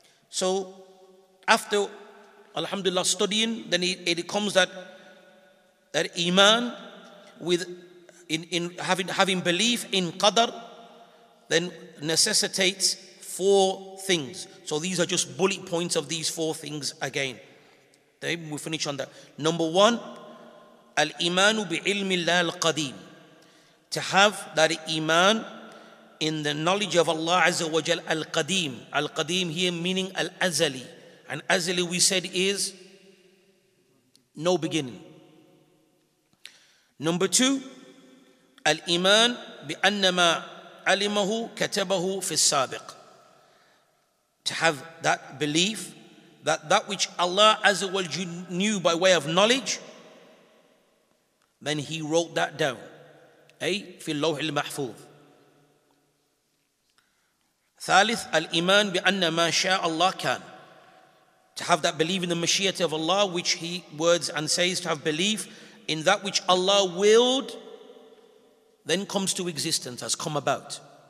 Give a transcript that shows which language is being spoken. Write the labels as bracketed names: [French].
[English] So after, alhamdulillah, studying, then it comes that iman with in having belief in qadr then necessitates four things. So these are just bullet points of these four things again. Then we finish on that. Number one, [Arabic] الإيمان بعلم الله القديم. [English] To have that iman in the knowledge of Allah Azza wa Jal al-Qadim. Al-Qadim here meaning al-Azali. And Azali we said is no beginning. Number two, [Arabic] الإيمان بأن ما علمه كتبه في السابق. [English] To have that belief that which Allah Azza wa Jal knew by way of knowledge, then he wrote that down. [Arabic] أي في اللوح المحفوظ. ثالث الإيمان بأن ما شاء الله كان. [English] To have that belief in the mashiyat of Allah, which he words and says, to have belief in that which Allah willed, then comes to existence, has come about.